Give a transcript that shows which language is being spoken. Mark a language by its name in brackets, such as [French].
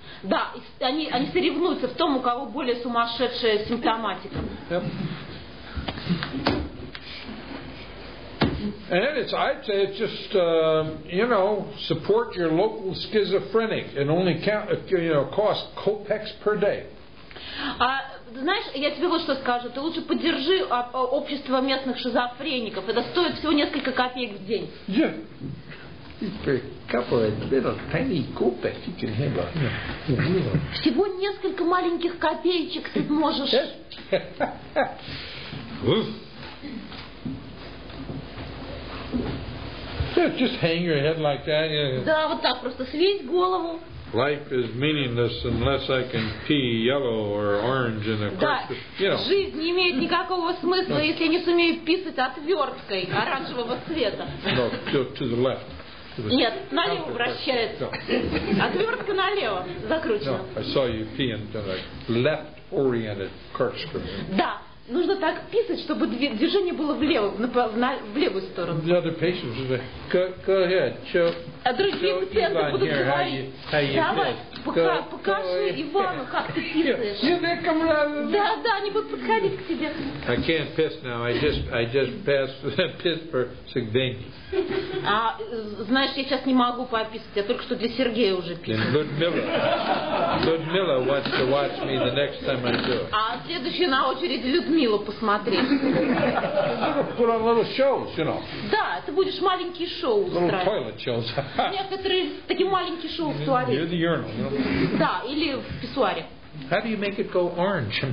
[Russian] Да, они соревнуются в том, у кого более сумасшедшая симптоматика. [English] And I'd say it's just you know, support your local schizophrenic and only count, you know, cost copecks per day. [Russian] Знаешь, я тебе вот что скажу, ты лучше поддержи общество местных шизофреников. Это стоит всего несколько копеек в день. [English] Yeah. For a couple of little tiny copecks you can have a meal. [Russian] Всего несколько маленьких копеечек ты можешь. [English] Yeah. Yeah, just hang your head like that. [Russian] Да, вот так просто свесь голову. [English] Life is meaningless unless I can pee yellow or orange in a cup. [Russian] Жизнь не имеет никакого смысла, если я не сумею писать отверткой оранжевого цвета. [English] No, to the left. [Russian] Нет, налево вращается. Отвертка налево закручена. [English] No, I saw you pee into a left-oriented corkscrew. [Russian] Да. Нужно так писать, чтобы движение было влево, в левую сторону. [English] The other patients would say, go ahead, show. [Russian] А другие пациенты будут говорить, давай, покажи Ивану, как ты писаешь. Да, да, они будут подходить к тебе. [English] I can't piss now. I just pissed for Сергея. [Russian] А знаешь, я сейчас не могу пописать, я только что для Сергея уже писал. [English] Людмила wants to watch me the next time I do. [Russian] А следующий на очереди Людмила посмотреть. Да, ты будешь маленькие шоу устраивать. Некоторые такие маленькие шоу в туалете. Да, или в писсуаре. [English] How do you make it go orange?